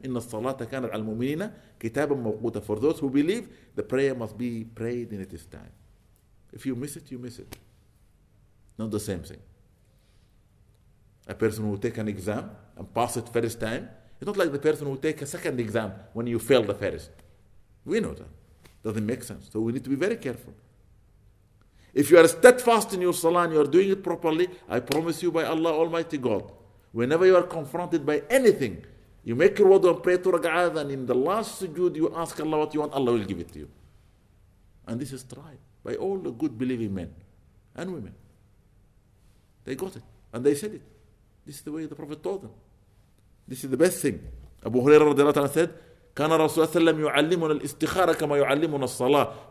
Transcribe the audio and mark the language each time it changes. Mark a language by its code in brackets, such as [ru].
[ar] إن الصلاة كانت على المؤمنين كتابا موقوتا. [en] For those who believe, the prayer must be prayed in its time. If you miss it, you miss it. Not the same thing. A person who take an exam and pass it first time, it's not like the person who take a second exam when you fail the first. We know that. Doesn't make sense. So we need to be very careful. If you are steadfast in your salah and you are doing it properly, I promise you by Allah Almighty God, whenever you are confronted by anything, you make your wudu and pray to raka'ah, and in the last sujood you ask Allah what you want, Allah will give it to you. And this is tried by all the good believing men and women. They got it. And they said it. This is the way the Prophet taught them. This is the best thing. Abu Hurairah radiallahu anhu said, [ar] كان رسول الله صلى الله عليه وسلم يعلمنا الاستخارة كما يعلمنا الصلاة.